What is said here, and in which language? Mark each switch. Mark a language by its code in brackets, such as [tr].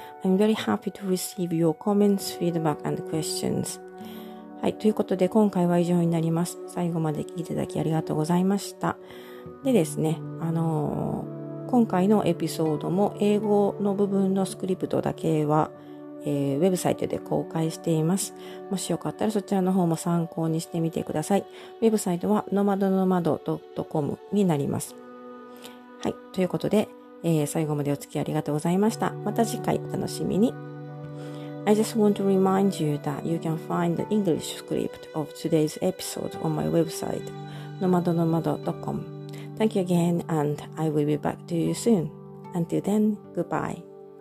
[en] I'm very happy to receive your comments, feedback and questions. [ja] はい、ということで今回は以上になります。最後まで聞いていただきありがとうございました。でですね、今回のエピソードも英語の部分のスクリプトだけは、ウェブサイトで公開しています。もしよかったらそちらの方も参考にしてみてください。ウェブサイトは nomadnomad.com になります。はい、ということで、最後までお付き合いありがとうございました。また次回お楽しみに。 [en] I just want to remind you that you can find the English script of today's episode on my website, nomadnomad.com. Thank you again, and I will be back to you soon. Until then, goodbye.